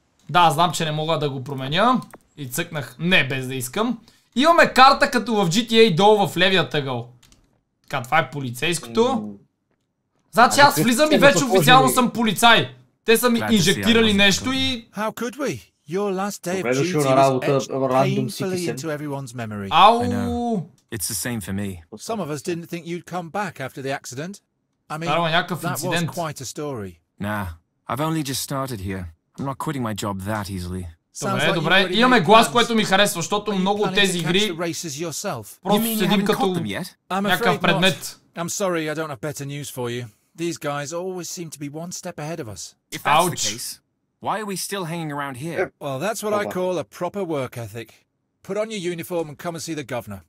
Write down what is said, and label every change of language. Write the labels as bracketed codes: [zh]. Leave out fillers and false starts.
[bg] Да, знам, че не мога да го променя. И цъкнах не, без да искам. Имаме карта като в GTA долу в левия тъгъл. Така, това е полицейското. Значи аз влизам и вече официално съм полицай. Те са ми инжектирали нещо и... [en] How could we? Your last day of duty was painfully into everyone's memory. Ау! It's the same for me. Some of us didn't think you'd come back after the accident. I mean, that was quite a story. Nah, I've only just started here. I'm not quitting my job that easily. [bg] Добре, добре. Имаме глас, което ми харесва, защото много от тези игри просто седим като някакъв предмет. [en] I'm sorry, I don't have better news for you. These guys always seem to be one step ahead of us. If that's the case, why are we still hanging around here? Well, that's what I call a proper work ethic. Put on your uniform and come and see the governor.